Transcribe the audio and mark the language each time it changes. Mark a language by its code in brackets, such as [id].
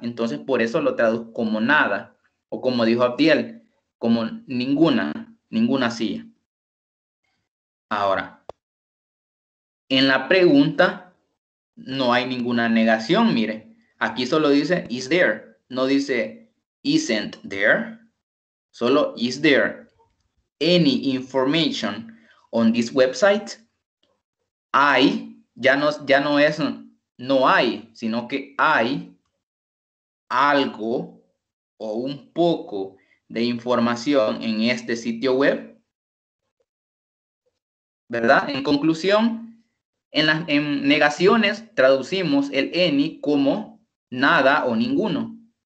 [es] Entonces, por eso lo traduzco como nada. O como dijo Abdiel, como ninguna. Ninguna silla. Ahora, en la pregunta no hay ninguna negación, mire. Aquí solo dice, is there. No dice, isn't there. [en] Solo, is there any information on this website? [es] Hay, ya no es no hay, sino que hay algo o un poco de información en este sitio web. ¿Verdad? En conclusión, en negaciones traducimos el any como nada o ninguno.